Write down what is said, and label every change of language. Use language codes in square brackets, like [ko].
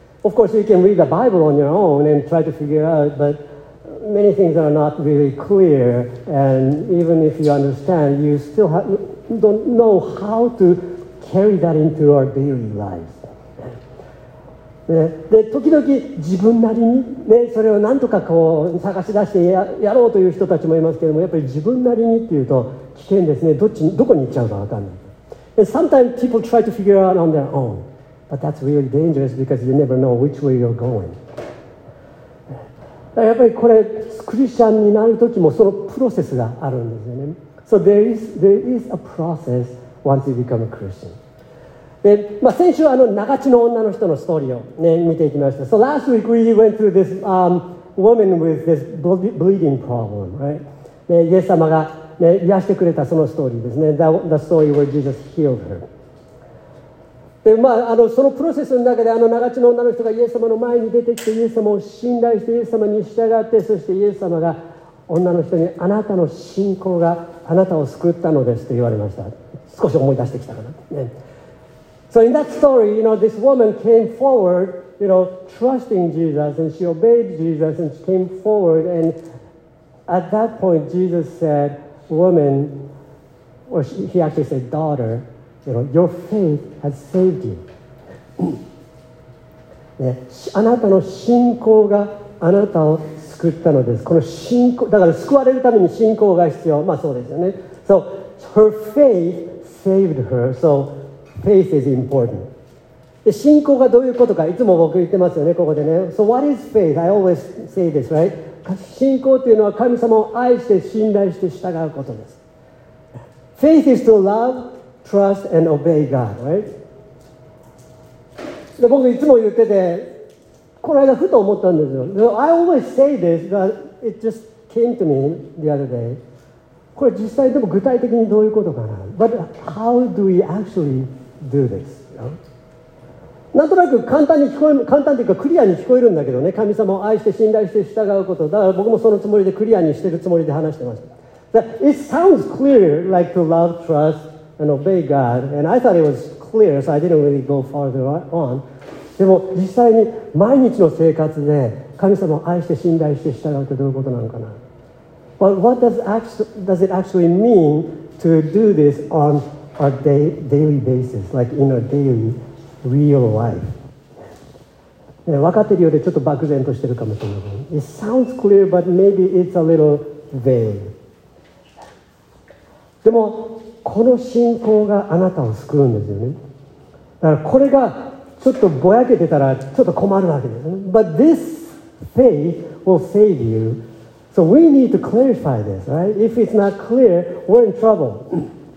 [en] Of course, you can read the Bible on your own and try to figure out, butMany things are not really clear, and even if you understand, you still don't know how to carry that into our daily lives. [ja] ね、で時々自分なりに、ね、それを何とかこう探し出して やろうという人たちもいますけれども、やっぱり自分なりにっていうと危険ですね。どこに行っちゃうか分かんない。 [en] Sometimes people try to figure out on their own, but that's really dangerous because you never know which way you're going. [ja] やっぱりこれクリスチャンになる時もそのプロセスがあるんですよね。 [en] So there is a process once you become a Christian. [ja] でまあ、先週は長血の女の人のストーリーを、ね、見ていきました。 [en] So last week we went through this、woman with this bleeding problem, right? [ja] イエス様が、ね、癒してくれたそのストーリーですね。 [en] the story where Jesus healed her. [ja] で、まあ、そのプロセスの中で長血の女の人がイエス様の前に出てきて、イエス様を信頼してイエス様に従って、そしてイエス様が女の人にあなたの信仰があなたを救ったのですと言われました。少し思い出してきたかな、ね。 [en] So in that story, you know, this woman came forward, you know, trusting Jesus, and she obeyed Jesus, and she came forward, and at that point, Jesus said, woman, or he actually said, daughter, you know, your faith has saved you. [ja] ね、あなたの信仰があなたを救ったのです。この信仰、だから救われるために信仰が必要。まあそうですよね。 [en] So her faith saved her, so... Faith is important. [ja] で信仰がどういうことか、いつも僕言ってますよね、ここでね。 [en] So what is faith? I always say this, right? [ja] 信仰というのは神様を愛して信頼して従うことです。 [en] Faith is to love, trust, and obey God, right? [ja] で僕いつも言ってて、この間ふと思ったんですよ。 [en] So、I always say this, but it just came to me the other day. [ja] これ実際でも具体的にどういうことかな。 [en] But how do we actually do this? [ja] なんとなく簡単に聞こえる、簡単というかクリアに聞こえるんだけどね。神様を愛して信頼して従うこと。だから僕もそのつもりでクリアにしてるつもりで話してました。 [en] It sounds clear like to love, trust, and obey God. And I thought it was clear, so I didn't really go farther on. [ja] でも実際に毎日の生活で神様を愛して信頼して従うってどういうことなのかな。 [en] But what does it actually mean to do this on a daily basis, like in a daily real life? [ja] わかってるようでちょっと漠然としてるかもしれない。 [en] It sounds clear, but maybe it's a little vague. [ja] でもこの信仰があなたを救うんですよね。だからこれがちょっとぼやけてたらちょっと困るわけですね。 [en] But this faith will save you. So we need to clarify this, right? If it's not clear, we're in trouble.